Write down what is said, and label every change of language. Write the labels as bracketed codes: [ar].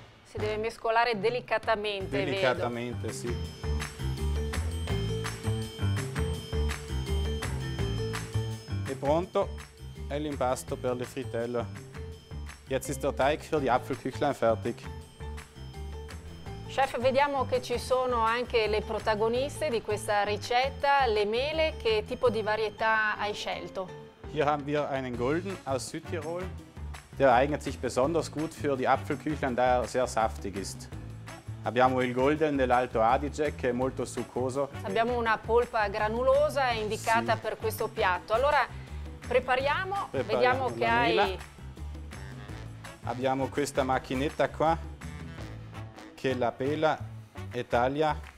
[it] Si deve mescolare delicatamente. Delicatamente, vedo. Sì. E pronto è l'impasto per le frittelle. [de] Jetzt ist der Teig für die Apfelküchlein fertig. [it] Chef, vediamo che ci sono anche le protagoniste di questa ricetta, le mele. Che tipo di varietà hai scelto? [de] Hier haben wir einen Golden aus Südtirol. Der eignet sich besonders gut für die Apfelküchlein, da er sehr saftig ist. [it] Abbiamo il Golden dell'Alto Adige, che è molto succoso. Abbiamo una polpa granulosa indicata, sì, per questo piatto. Allora prepariamo, vediamo che la mela. Hai. Abbiamo questa macchinetta qua, che la pela e taglia.